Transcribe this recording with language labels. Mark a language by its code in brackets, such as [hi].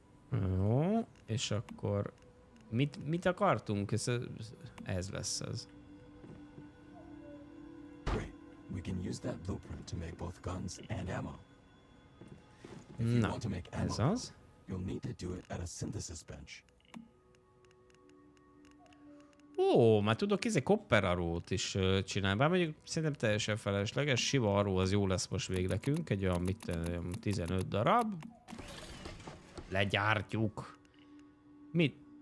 [hu] Jó, és akkor mit akartunk? Ez lesz az. [en] Great. We can use that blueprint to make both guns and ammo. [hu] Na, ez az. [en] You'll need to do it at a synthesis bench. [hu] Ó, már tudok, ez egy copper arrow-t is csinálni. Bár mondjuk szerintem teljesen felesleges. Sima arrow az jó lesz most végnekünk. Egy olyan 15 darab. Legyártjuk. Mit?